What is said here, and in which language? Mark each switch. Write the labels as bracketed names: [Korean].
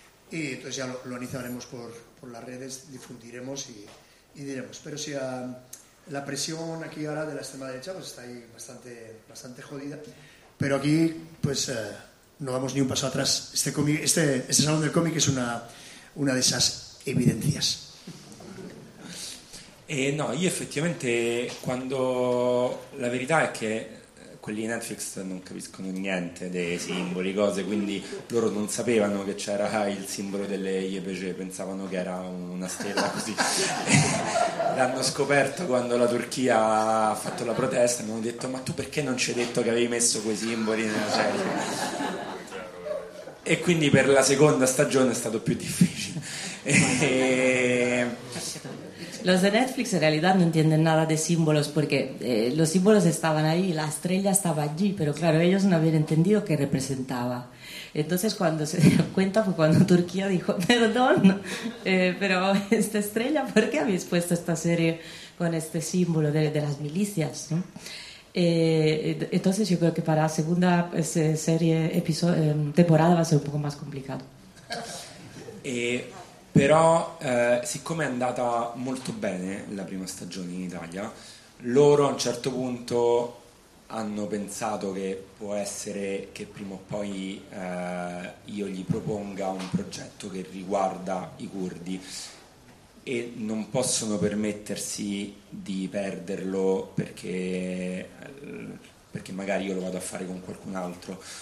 [Spanish] Y entonces ya lo analizaremos por las redes, difundiremos y diremos. Pero si la presión aquí ahora de la extrema derecha pues está ahí bastante, bastante jodida. Pero aquí, pues... no vamos ni un paso atrás. Este salón del cómic es una de esas evidencias. [Italian] No, io effettivamente quando la verità è che quelli di Netflix non capiscono niente dei simboli, cose, quindi loro non sapevano che c'era il simbolo delle IEPG, pensavano che era una stella così. L'hanno scoperto quando la Turchia ha fatto la protesta, mi hanno detto ma tu perché non ci hai detto che avevi messo quei simboli nella serie? E quindi per la seconda stagione è stato più difficile. [Spanish] Los de Netflix en realidad no entienden nada de símbolos porque los símbolos estaban ahí, la estrella estaba allí, pero claro, ellos no habían entendido qué representaba. Entonces cuando se dieron cuenta fue cuando Turquía dijo, perdón, pero esta estrella, ¿por qué habéis puesto esta serie con este símbolo de las milicias? ¿No? Entonces yo creo que para la segunda serie, temporada va a ser un poco más complicado. [Italian] Però siccome è andata molto bene la prima stagione in Italia, loro a un certo punto hanno pensato che può essere che prima o poi io gli proponga un progetto che riguarda i curdi e non possono permettersi di perderlo perché magari io lo vado a fare con qualcun altro.